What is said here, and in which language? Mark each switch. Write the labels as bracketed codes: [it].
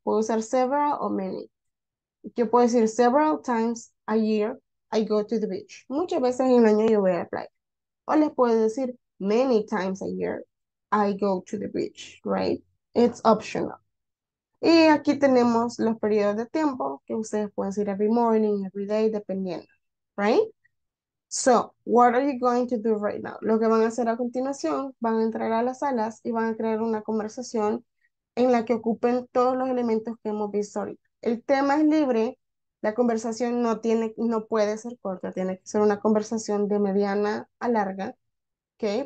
[es] Puedo usar [en] several o many. [es] Yo puedo decir [en] several times a year I go to the beach. [es] Muchas veces en el año yo voy a la playa. O les puedo decir [en] many times a year I go to the beach, right? It's optional. [es] Y aquí tenemos los periodos de tiempo que ustedes pueden decir [en] every morning, every day, [es] dependiendo, [en] right? So, what are you going to do right now? [es] Lo que van a hacer a continuación, van a entrar a las salas y van a crear una conversación en la que ocupen todos los elementos que hemos visto ahorita. El tema es libre, la conversación no puede ser corta, tiene que ser una conversación de mediana a larga, ¿okay?